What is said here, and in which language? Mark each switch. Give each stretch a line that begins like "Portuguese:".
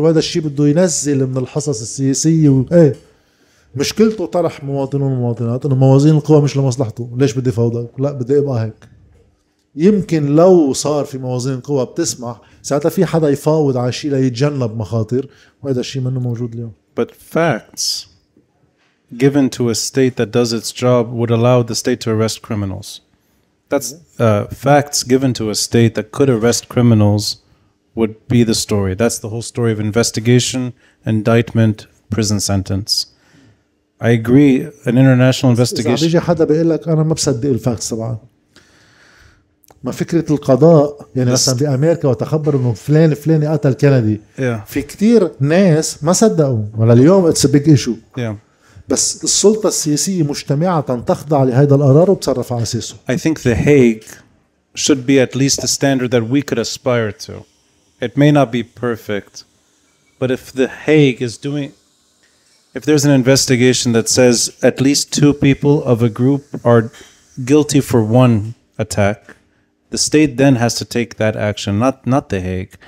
Arabic: وهذا الشيء بده ينزل من الحصص السياسية مشكلته طرح مواطنون ومواطنات انه موازين القوى مش لمصلحته. ليش بدي فوضك؟ لا بدي يبقى هيك. يمكن لو صار في موازين قوى بتسمح ساعتها في حدا يفاوض على شيء ليتجنب مخاطر، وهذا الشيء منه موجود اليوم.
English: But facts given to a state that does its job would allow the state to arrest criminals. That's facts given to a state that could arrest criminals would be the story. That's the whole story of investigation, indictment, prison sentence. I agree, an international investigation.
Arabic: إذا بيجي حدا بيقول لك أنا ما بصدق الفاكتس طبعا. ما فكرة القضاء يعني مثلا بأمريكا وتخبر إنه فلان فلاني قتل كندي.
English: Yeah.
Arabic: في كتير ناس ما صدقوا ولا اليوم
English: it's a big issue. Yeah.
Arabic: بس السلطة السياسية مجتمعة تخضع لهذا القرار وبتصرف على أساسه.
English: I think the Hague should be at least a standard that we could aspire to. It may not be perfect, but if the Hague is doing, if there's an investigation that says at least two people of a group are guilty for one attack, the state then has to take that action, not the Hague.